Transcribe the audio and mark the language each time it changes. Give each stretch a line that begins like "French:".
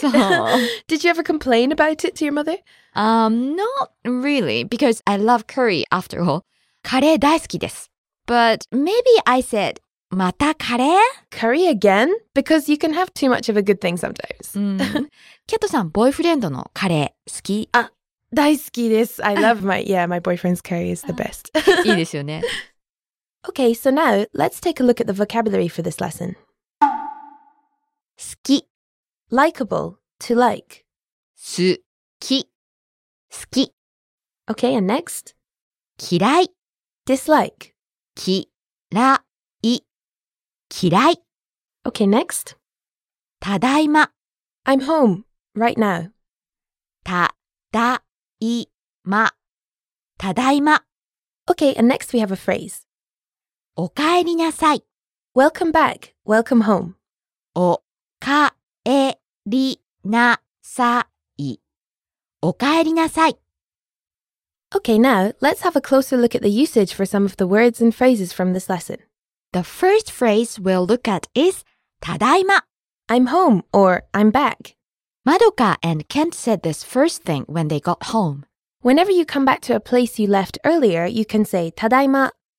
English: So, did you ever complain about it to your mother? Not really, because I love curry after all.
Japanese: カレー大好きです。
English: But maybe I said,
Japanese: またカレー？
English: Curry again? Because you can have too much of a good thing sometimes. ケットさん、ボーイフレンドのカレー好き？
Japanese: あ、大好きです。
English: I love my, yeah, my boyfriend's curry is the best.
Japanese: いいですよね。
English: Okay, so now, let's take a look at the vocabulary for this lesson.
Japanese: 好き
English: Likeable, to like.
Japanese: 好き好き
English: Okay, and next?
Japanese: 嫌い
English: Dislike.
Japanese: 嫌い嫌い
English: Okay, next?
Japanese: ただいま
English: I'm home, right now.
Japanese: ただいまただいま
English: Okay, and next we have a phrase.
Japanese: おかえりなさい
English: Welcome back, welcome home.
Japanese: おかえりなさいおかえりなさい
English: Okay, now let's have a closer look at the usage for some of the words and phrases from this lesson. The first phrase we'll look at is
Japanese: ただいま.
English: I'm home or I'm back. Madoka and Kent said this first thing when they got home. Whenever you come back to a place you left earlier, you can say
Japanese: ただいま.